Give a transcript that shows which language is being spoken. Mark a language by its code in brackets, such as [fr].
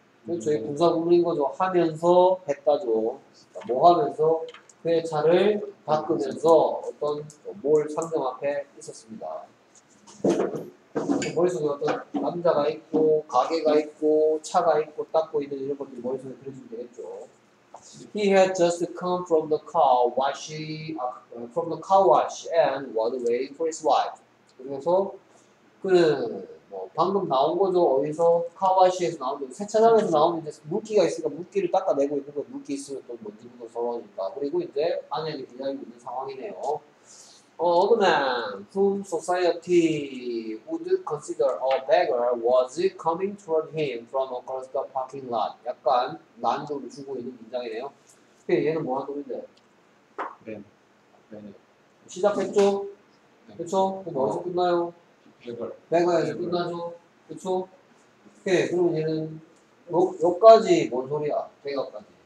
[ko] 거죠. 저희 군사 부문인 거죠. 하면서 했다죠. 그러니까 뭐 하면서 그의 차를 바꾸면서 어떤 뭘 상점 앞에 있었습니다. 머릿속에 어떤 남자가 있고 가게가 있고 차가 있고 닦고 있는 이런 것들 머릿속에 그려주면 되겠죠. [en] He had just come from the car wash, from the car wash, and was waiting for his wife. [ko] 그래서 그는 뭐 방금 나온 거죠. 어디서 카와시에서 나온 거죠. 세차장에서 나온 이제 물기가 있으니까 물기를 닦아내고 있는 거. 물기 있으면 또 먼지부터 서러우니까. 그리고 이제 아내를 기다리고 있는 상황이네요. [en] Old man, whom society would consider a beggar, was coming toward him from across the parking lot. [ko] 약간 난조를 주고 있는 문장이네요. 얘는 뭐 하는 건데? 네. 시작했죠? 네. 그쵸? 그럼 어디서 끝나요? 베거에서 끝나죠? 그쵸? 오케이. 그럼 얘는 여기까지 뭔 소리야? 베거까지.